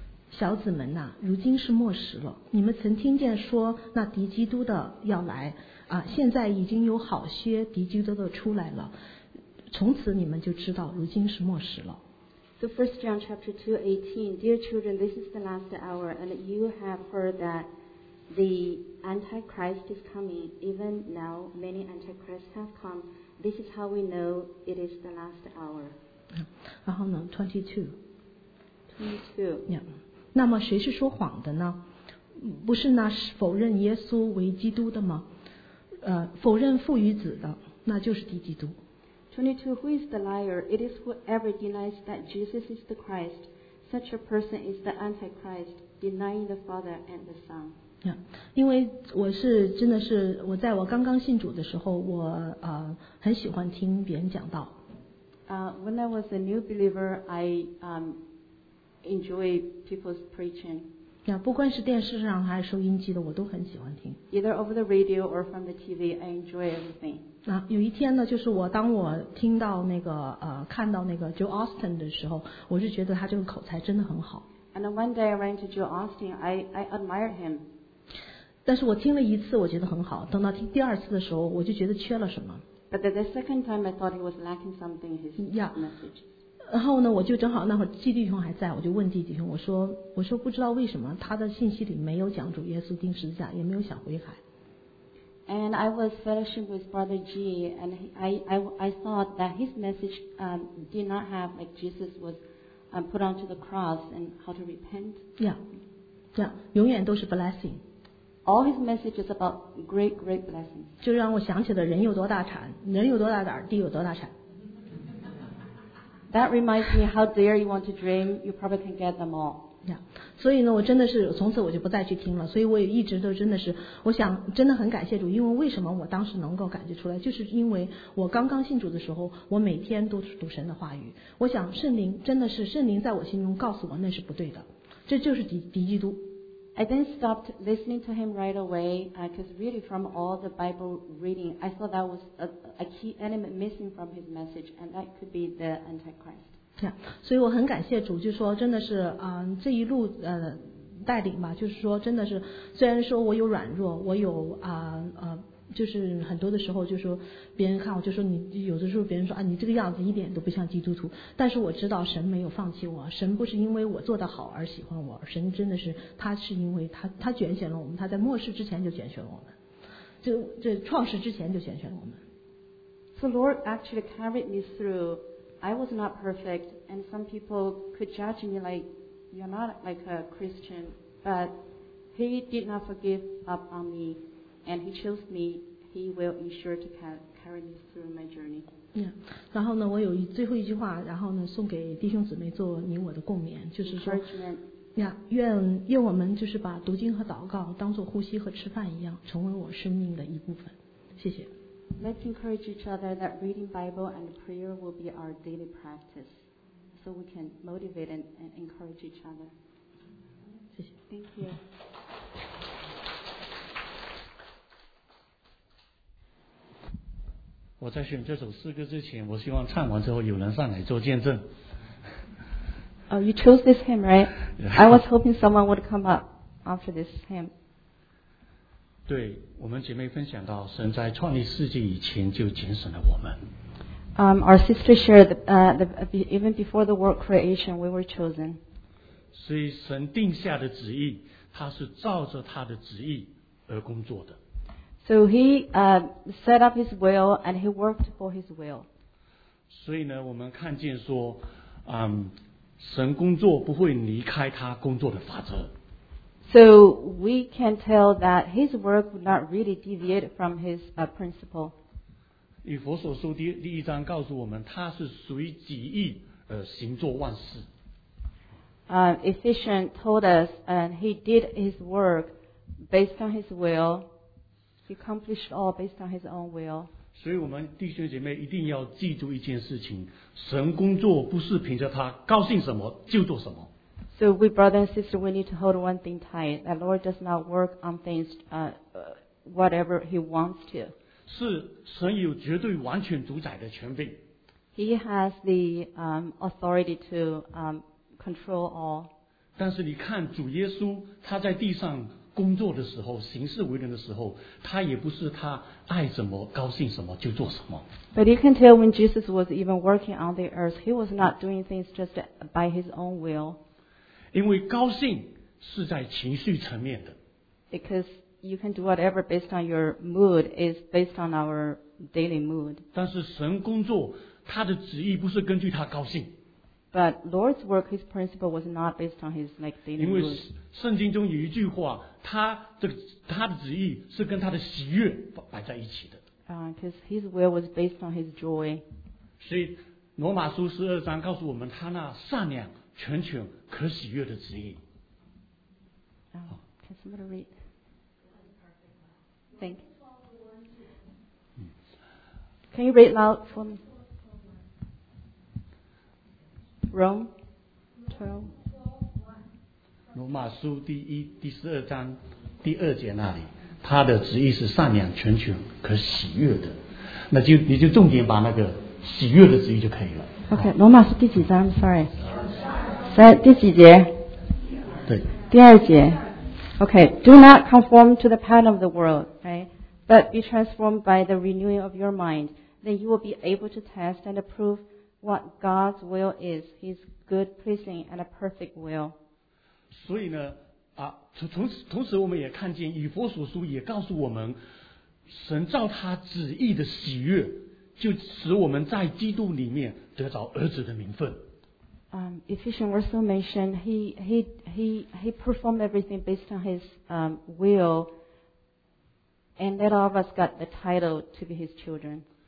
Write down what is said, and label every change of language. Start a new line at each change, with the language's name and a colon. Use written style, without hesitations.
Chinese: 小子们呐、啊，如今是末时了。你们曾听见说那敌基督的要来啊，现在已经有好些敌基督的出来了。从此你们就知道如今是末时了。
English: So First John chapter 2:18, dear children, this is the last hour, and you have heard that the Antichrist is coming. Even now, many Antichrists have come. This is how we know it is the last hour.
Chinese: 然后呢，22.
English: Yeah.
Chinese: 那么谁是说谎的呢？不是那否认耶稣为基督的吗？否认父与子的，那就是敌基督。
English: 22. Who is the liar? It is whoever denies that Jesus is the Christ. Such a person is the Antichrist, denying the Father and the Son. Yeah,
Chinese: 因为我是真的是我在我刚刚信主的时候，我很喜欢听别人讲道。
English: When I was a new believer, I enjoy people's preaching. Yeah,
Chinese: 不管是电视上还是收音机的，我都很喜欢听。
English: Either over the radio or from the TV, I enjoy everything.
Chinese: 那有一天呢，就是我当我听到那个看到那个 Joe Austin 的时候，我是觉得他这个口才真的很好。
English: And one day I ran to Joe Austin, I admired him.
Chinese: 但是我听了一次，我觉得很好。等到听第二次的时候，我就觉得缺了什么。
English: But the second time I thought he was lacking something in his message. Yeah.
Chinese: 然后呢，我就正好那会儿季弟兄还在，我就问季弟兄，我说不知道为什么他的信息里没有讲主耶稣钉十字架，也没有想悔改。
English: And I was fellowship with Brother G, and I thought that his message did not have like Jesus was put onto the cross and how to repent. Yeah,
Chinese: 这样永远都是 blessing.
English: All his message is about great blessings.
Chinese: 就让我想起了人有多大产，人有多大胆，地有多大产。
English: That reminds me how dare you want to dream, you probably can get them all. Yeah.
Chinese: 所以呢，我真的是从此我就不再去听了。所以我也一直都真的是，我想真的很感谢主，因为为什么我当时能够感觉出来，就是因为我刚刚信主的时候，我每天都读神的话语。我想圣灵真的是圣灵在我心中告诉我那是不对的，这就是敌基督。
English: I then stopped listening to him right away, because really from all the Bible reading, I thought that was a key element missing from his message, and that could be the Antichrist. Yeah,
Chinese: 所以我很感谢主，就说真的是，这一路带领吧，就是说真的是，虽然说我有软弱，我有就是很多的时候就说别人看我就说你有的时候别人说啊你这个样子一点都不像基督徒，但是我知道神没有放弃我，神不是因为我做得好而喜欢我，神真的是他是因为他拣选了我们，他在末世之前就拣选了我们，就创世之前就拣选了我们。
English: So Lord actually carried me through. I was not perfect, and some people could judge me like, you're not like a Christian, but He did not forgive up on me, and He chose me. He will ensure to carry me through my journey. Yeah.
Chinese: 然后呢，我有最后一句话，然后呢，送给弟兄姊妹做你我的共勉，就是说，愿我们就是把读经和祷告当做呼吸和吃饭一样，成为我生命的一部分。谢谢。
English: Let's encourage each other that reading Bible and prayer will be our daily practice, so we can motivate and encourage each other.
Chinese: 谢谢。
English: Thank you.
Chinese: 我在选这首诗歌之前，我希望唱完之后有人上来做见证。
English: Oh, you chose this hymn, right? I was hoping someone would come up after this hymn.
Chinese: 对，我们姐妹分享到，神在创立世界以前就拣选了我们。
English: Our sister shared even before the world creation, we were chosen.
Chinese: 所以神定下的旨意，他是照着他的旨意而工作的。
English: So he set up his will and he worked for his will.
Chinese: 所以呢，我们看见说，神工作不会离开他工作的法则。
English: So we can tell that his work would not really deviate from his principle.
Chinese: 以弗所书第一章告诉我们，他是随己意而行作万事。
English: Ephesians told us, and he did his work based on his will. He accomplished all based on his own will.
Chinese: 所以我们弟兄姐妹一定要记住一件事情，神工作不是凭着他高兴什么就做什么。
English: So we brothers and sisters, we need to hold one thing tight, that Lord does not work on things whatever he wants to.
Chinese: 是神有绝对完全主宰的权柄。
English: He has the authority to control all.
Chinese: 但是你看主耶稣他在地上工作的时候，行事为人的时候，他也不是他爱怎么高兴什么就做什么。
English: But you can tell when Jesus was even working on the earth, he was not doing things just by his own will.
Chinese: 因为高兴是在情绪层面的。
English: Because you can do whatever based on your mood is based on our daily mood.
Chinese: 但是神工作，他的旨意不是根据他高兴。
English: But Lord's work, his principle was not based on his like daily mood.
Chinese: 因为圣经中有一句话，他的旨意是跟他的喜悦摆在一起的。
English: Because his will was based on his joy.
Chinese: 所以罗马书十二章告诉我们，他那善良、全权、可喜悦的旨意。
English: Can somebody read? Thank you. Can you read loud for me? Rome 12.
Chinese: 罗马书第一第十二章第二节那里，他的旨意是善良、全权、可喜悦的。那就你就重点把那个喜悦的旨意就可以了。 OK， 罗马书第几章 ？
English: Sorry，
Chinese: 在第几节？对，第二节。
English: OK， Do not conform to the pattern of the world, right? But be transformed by the renewing of your mind. Then you will be able to test and approve. What God's will is, His good, pleasing, and a perfect will.
Chinese: 所以呢，同时我们也看见以弗所书也告诉我们，神照他旨意的喜悦，就使我们在基督里面得着儿子的名分。
English: Ephesians also mentioned he performed everything based on his will, and that all of us got the title to be his children.